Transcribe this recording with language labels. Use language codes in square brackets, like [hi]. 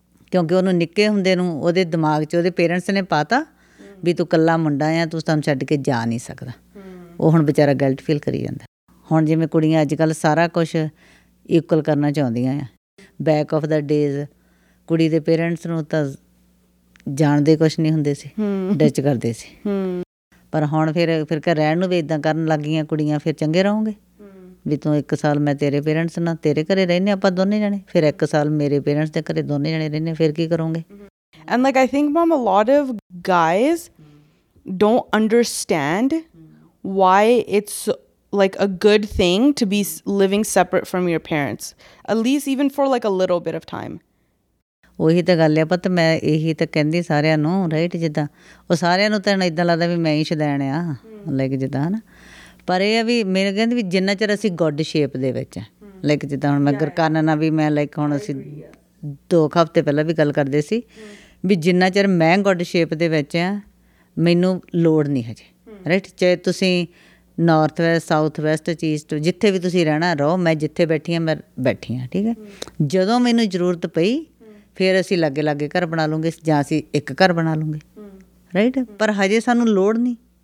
[pa] ਕਿਉਂਕਿ ਉਹਨੂੰ ਨਿੱਕੇ ਹੁੰਦੇ ਨੂੰ ਉਹਦੇ ਦਿਮਾਗ 'ਚ ਉਹਦੇ ਪੇਰੈਂਟਸ ਨੇ ਪਾਤਾ ਵੀ ਤੂੰ ਇਕੱਲਾ ਮੁੰਡਾ ਆ ਤੂੰ ਸਾਨੂੰ ਛੱਡ ਕੇ ਜਾ ਨਹੀਂ ਸਕਦਾ ਉਹ ਹੁਣ ਵਿਚਾਰਾ ਗਿਲਟ ਫੀਲ ਕਰੀ ਜਾਂਦਾ ਹੁਣ ਜਿਵੇਂ ਕੁੜੀਆਂ ਅੱਜ ਕੱਲ੍ਹ ਸਾਰਾ ਕੁਛ ਇਕੁਅਲ ਕਰਨਾ ਚਾਹੁੰਦੀਆਂ ਆ [en] back of the days [pa] ਕੁੜੀ ਦੇ ਪੇਰੈਂਟਸ ਨੂੰ ਤਾਂ ਜਾਣਦੇ ਕੁਛ ਨਹੀਂ ਹੁੰਦੇ ਸੀ ਡਿਚ ਕਰਦੇ ਸੀ ਪਰ ਹੁਣ ਫਿਰ ਰਹਿਣ ਨੂੰ ਵੀ ਇੱਦਾਂ ਕਰਨ ਲੱਗ ਗਈਆਂ ਕੁੜੀਆਂ ਫਿਰ ਚੰਗੇ ਰਹੋਗੇ ਵੀ ਤੂੰ ਇੱਕ ਸਾਲ ਮੈਂ ਤੇਰੇ ਪੇਰੈਂਟਸ ਨਾਲ ਤੇਰੇ ਘਰੇ ਰਹਿੰਦੇ ਆਪਾਂ ਦੋਨੇ ਜਾਣੇ ਫਿਰ ਇੱਕ ਸਾਲ ਮੇਰੇ ਪੇਰੈਂਟਸ ਦੇ ਘਰੇ ਦੋਨੇ ਜਾਣੇ ਰਹਿੰਦੇ ਫਿਰ ਕੀ ਕਰੋਗੇ [en] And like I think hmm a lot of guys don't understand why it's like a good thing to be living separate from your parents, at least even for like a little bit of time. [pa] ਉਹੀ ਤਾਂ ਗੱਲ ਆ, ਪਰ ਮੈਂ ਇਹੀ ਤਾਂ ਕਹਿੰਦੀ ਸਾਰਿਆਂ ਨੂੰ, ਰਾਈਟ, ਜਿੱਦਾਂ ਉਹ ਸਾਰਿਆਂ ਨੂੰ ਤਾਂ ਇੱਦਾਂ ਲੱਗਦਾ ਵੀ ਮੈਂ ਹੀ ਛਦੈਣ ਆ, ਲਾਈਕ ਜਿੱਦਾਂ, ਹੈ ਨਾ, ਪਰ ਇਹ ਆ ਵੀ ਮੇਰੇ ਕਹਿੰਦੇ ਵੀ ਜਿੰਨਾ ਚਿਰ ਅਸੀਂ [en] good shape [pa] ਦੇ ਵਿੱਚ, ਲਾਈਕ ਜਿੱਦਾਂ ਹੁਣ ਮੈਂ ਗੁਰਕਾਨਾ ਨਾਲ ਵੀ ਮੈਂ ਲਾਈਕ ਹੁਣ ਅਸੀਂ 2 ਹਫ਼ਤੇ ਪਹਿਲਾਂ ਵੀ ਗੱਲ ਕਰਦੇ ਸੀ ਵੀ ਜਿੰਨਾ ਚਿਰ ਮੈਂ [en] good shape [pa] ਦੇ ਵਿੱਚ ਹਾਂ ਮੈਨੂੰ ਲੋੜ ਨਹੀਂ ਹਜੇ, ਰਾਈਟ, ਚਾਹੇ ਤੁਸੀਂ north West, south West, East, ਜਿੱਥੇ ਵੀ ਤੁਸੀਂ ਰਹਿਣਾ ਰਹੋ, ਮੈਂ ਜਿੱਥੇ ਬੈਠੀ ਹਾਂ ਮੈਂ ਬੈਠੀ ਹਾਂ, ਠੀਕ ਹੈ, ਜਦੋਂ ਮੈਨੂੰ ਜ਼ਰੂਰਤ ਪਈ ਫਿਰ ਅਸੀਂ ਲਾਗੇ ਲਾਗੇ ਘਰ ਬਣਾ ਲਉਂਗੇ ਜਾਂ ਅਸੀਂ ਇੱਕ ਘਰ ਬਣਾ ਲਉਂਗੇ, ਰਾਈਟ, ਪਰ ਹਜੇ ਸਾਨੂੰ ਲੋੜ ਨਹੀਂ,